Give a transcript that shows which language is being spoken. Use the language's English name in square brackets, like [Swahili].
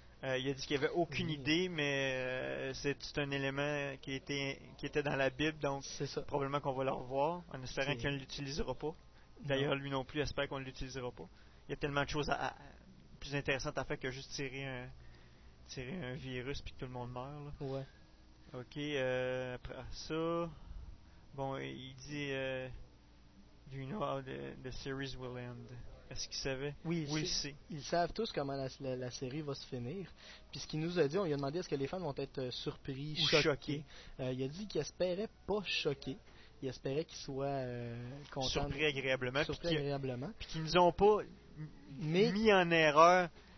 [French] Il a dit qu'il n'y avait aucune idée, mais c'est un élément qui était dans la Bible, donc c'est ça. Probablement qu'on va le revoir, en espérant qu'il ne l'utilisera pas. D'ailleurs, lui non plus espère qu'on ne l'utilisera pas. Il y a tellement de choses plus intéressantes à faire que juste tirer un virus puis que tout le monde meurt. Là. Ouais. Ok, après ça... Bon, il dit, [English] do you know how the series will end? [French] Est-ce qu'ils savaient? Oui, ils savent tous comment la série va se finir. Puis ce qu'il nous a dit, on lui a demandé est-ce que les fans vont être surpris, choqués. Il a dit qu'il espérait pas choqués. Il espérait qu'ils soient contents. Surpris agréablement. Puis qu'ils nous ont pas mis en erreur.